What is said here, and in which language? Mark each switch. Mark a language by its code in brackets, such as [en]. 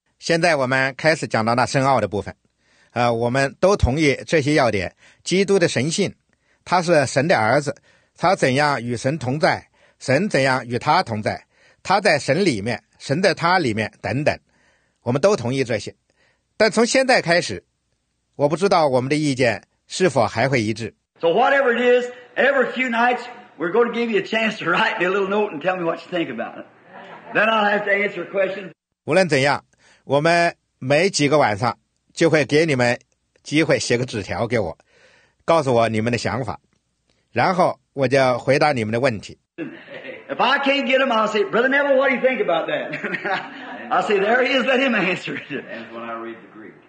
[zh] 现在我们开始讲到那深奥的部分。我们都同意这些要点，基督的神性，他是神的儿子，他怎样与神同在，神怎样与他同在，他在神里面，神在他里面等等，我们都同意这些。但从现在开始，我不知道我们的意见是否还会一致。 [en] So whatever it is, every few nights, we're going to give you a chance to write me a little note and tell me what you think about it. Then I'll have to answer questions. [zh] 无论怎样，我们每几个晚上就会给你们机会写个纸条给我，告诉我你们的想法，然后我就回答你们的问题。 [en] If I can't get him, I'll say, Brother Neville, what do you think about that? I'll say, there he is, let him answer it. That's when I read the Greek.